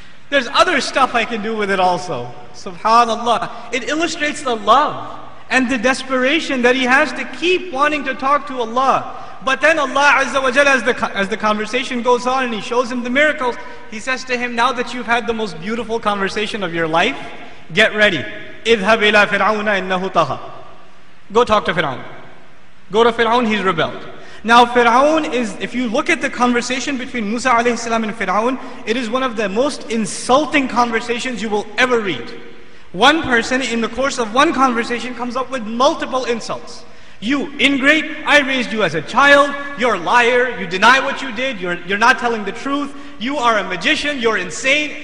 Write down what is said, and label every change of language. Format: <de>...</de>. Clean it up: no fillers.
<en>There's other stuff I can do with it also. SubhanAllah. It illustrates the love and the desperation that he has to keep wanting to talk to Allah. But then Allah Azza wa Jalla, as the conversation goes on and he shows him the miracles, he says to him, now that you've had the most beautiful conversation of your life, get ready.</en> <ar>اذهب إلى فرعون إنه طغى</ar> <en>Go talk to Fir'aun. Go to Fir'aun, he's rebelled. Now Fir'aun is, if you look at the conversation between Musa alayhi salam and Fir'aun, it is one of the most insulting conversations you will ever read. One person in the course of one conversation comes up with multiple insults. You ingrate, I raised you as a child, you're a liar, you deny what you did, you're not telling the truth, you are a magician, you're insane.</en>